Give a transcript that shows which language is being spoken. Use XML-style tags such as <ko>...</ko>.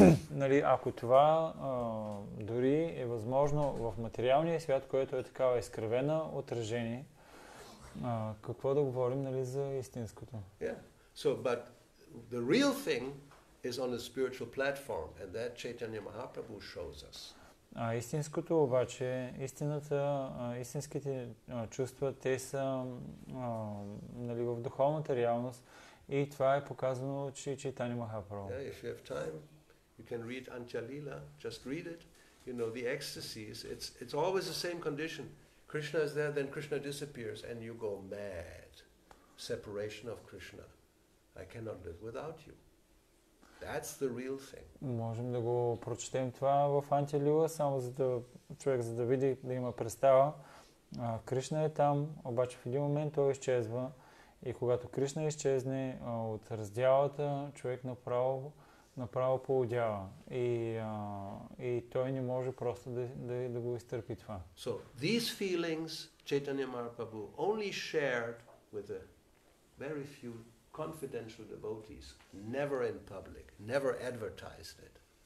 <bg>Нали, ако това дори е възможно в материалния свят, който е такава изкривено отражение, какво да говорим, нали, за истинското?</bg> <en>Yeah. So, but the real thing is on a spiritual platform, and that Chaitanya Mahaprabhu shows us.</en> <bg>А истинското обаче, истинските чувства, те са нали, в духовната реалност, и това е показано от Чайтанья Махапрабху.</bg> <en>Yeah, if you have time, you can read Antyalila, just read it. You know, the ecstasies, it's always the same condition. Krishna is there, then Krishna disappears, and you go mad. Separation of Krishna. I cannot live without you. That's the real thing.</en> <bg>Можем да го прочетем това в Антилила, само за да човек за да види, да има представа. Кришна е там, обаче в един момент той изчезва. И когато Кришна изчезне от раздялата, човек направо поудява. И той не може просто да го изтърпи това.</bg> <en>So, these feelings Chaitanya Mahaprabhu only shared with a very few confidential devotees, never in public, never advertised it.</en>